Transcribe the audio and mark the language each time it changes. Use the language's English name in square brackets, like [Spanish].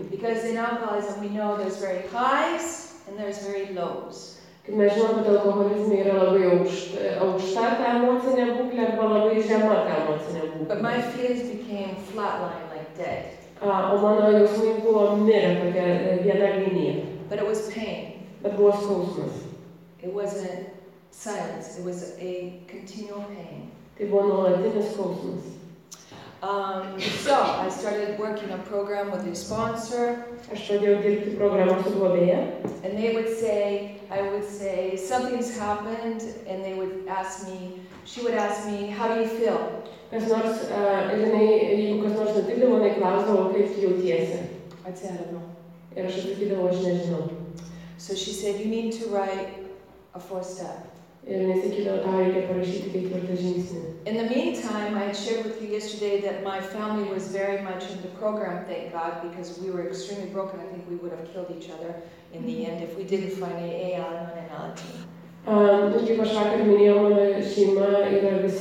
[English] Because in alcoholism we know there's very highs and there's very lows. [Lithuanian] Kai mes žinom, kad alkoholizme yra labai aukšta ta emocinė būklė arba labai žema ta emocinė būklė. [English] But my feelings became flatline, like dead. [Lithuanian] O mano jausmai buvo mirę, tokia viena linija. [English] But it was pain. [Lithuanian] Bet buvo skausmas. [English] It wasn't silence, it was a continual pain. [Lithuanian] Tai buvo nuolatinis skausmas. [English] So I started working a program with a sponsor. [Lithuanian] Aš pradėjau dirbti programą su globėja. [English] And they would say, I would say, something's happened, and they would ask me, she would ask me, how do you feel? [Lithuanian] Kas nors, jeigu kas nors nutikdavo, jinai klausdavo, kaip tu jautiesi. [English] I'd say, I don't know. [Lithuanian] Ir aš atsakydavau, aš nežinau. [English] So she said, you need to write a 4-step. [Lithuanian] Ir nesakydavo, tau reikia parašyti ketvirtą žingsnį. [English] In the meantime, I had shared with you yesterday that my family was very much in the program, thank God, because we were extremely broken. I think we would have killed each other in the end if we didn't find an AA and an LT. [Lithuanian] Kaip aš vakar minėjau, mano šeima yra